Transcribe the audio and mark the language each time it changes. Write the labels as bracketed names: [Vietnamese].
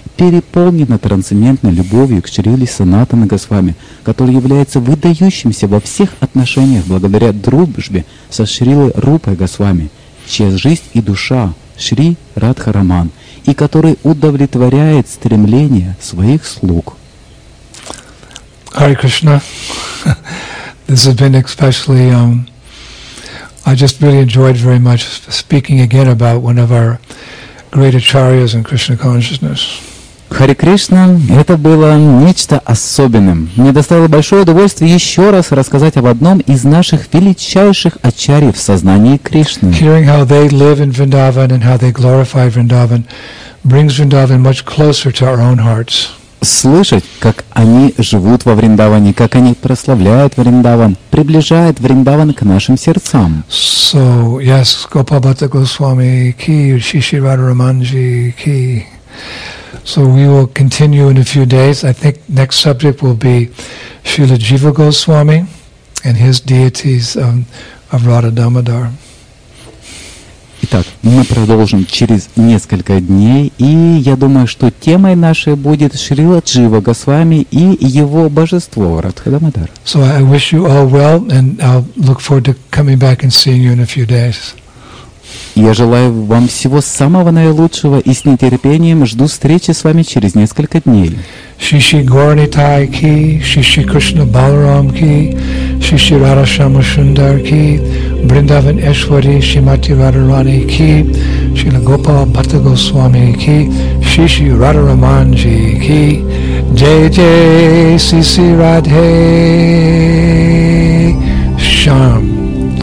[Russian] переполнена трансцендентной любовью к Шрили Санатана Госвами, которая является выдающимся во всех отношениях благодаря дружбе со Шрилой Рупой Госвами, чья жизнь и душа Шри Радха Раман, и который удовлетворяет стремления своих слуг. [English] Hare Krishna. This has been especially, I just really enjoyed very much speaking again about one of our great acharyas in Krishna consciousness. [Russian] Hare Krishna, это было нечто особенным. Мне доставило большое удовольствие еще раз рассказать об одном из наших величайших ачарий в сознании Кришны. [English] Hearing how they live in Vrindavan and how they glorify Vrindavan brings Vrindavan much closer to our own hearts. [Russian] Слышать, как они живут во Вриндаване, как они прославляют Вриндаван, приближает Вриндаван к нашим сердцам. [English] So, yes, Gopal Bhatta Goswami ki, Shishi Radha Ramanji ki. So we will continue in a few days. I think next subject will be Srila Jiva Goswami and his deities of Radha Damodar. [Russian] Итак, мы продолжим через несколько дней, и я думаю, что темой нашей будет Шрила Джива Госвами и его божество Радха Дамодар. [English] So I wish you all well, and I'll look forward to coming back and seeing you in a few days. [Russian] Я желаю вам всего самого наилучшего и с нетерпением жду встречи с вами через несколько дней. Шиши Горнитай ки, Шиши Кришна Баларам ки, Шиши Рада Шама Шундар ки, Бриндаван Эшвари, Шимати Радарани ки, Шрила Гопала Бхатта Госвами ки, Шиши Рада Раманджи ки, Джей Джей Сиси Радхе Шам.